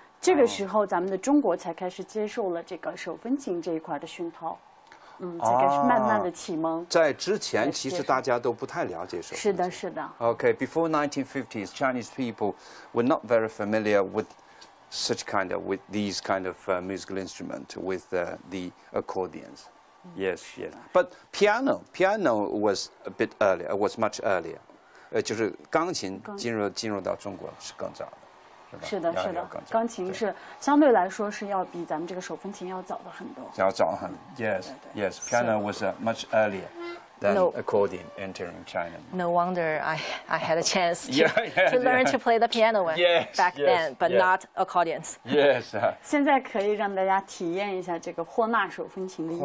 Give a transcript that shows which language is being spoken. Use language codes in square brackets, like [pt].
[zh] 这个时候咱们的中国才开始接受了这个手风琴这一块的熏陶。才开始慢慢的启蒙。在之前，其实大家都不太了解手风琴。是的，是的。 [en] Okay, before 1950s, Chinese people were not very familiar with such kind of with these kind of musical instrument with the accordions. Yes, yes. But piano was a bit earlier. It was much earlier. [zh] 就是钢琴进入到中国是更早的。是的，是的，钢琴是相对来说是要比咱们这个手风琴要早的很多。要早很 ， [en] yes, yes. Piano was much earlier than accordion entering China. No wonder I had a chance to learn to play the piano back then, but not accordions. Yes. [zh] 现在可以让大家体验一下这个霍纳手风琴的音色。